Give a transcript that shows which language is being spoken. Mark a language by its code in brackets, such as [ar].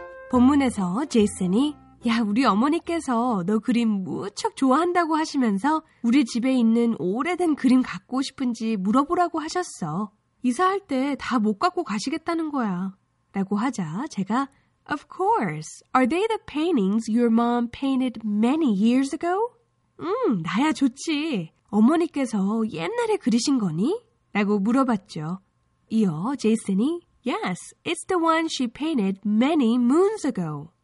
[ko] 본문에서 제이슨이 야, 우리 어머니께서 너 그림 무척 좋아한다고 하시면서 우리 집에 있는 오래된 그림 갖고 싶은지 물어보라고 하셨어. 이사할 때 다 못 갖고 가시겠다는 거야. 라고 하자 제가 [en] Of course. Are they the paintings your mom painted many years ago? [ko] 나야 좋지. 어머니께서 옛날에 그리신 거니? 라고 물어봤죠. 이어 제이슨이 [en] Yes, it's the one she painted many moons ago.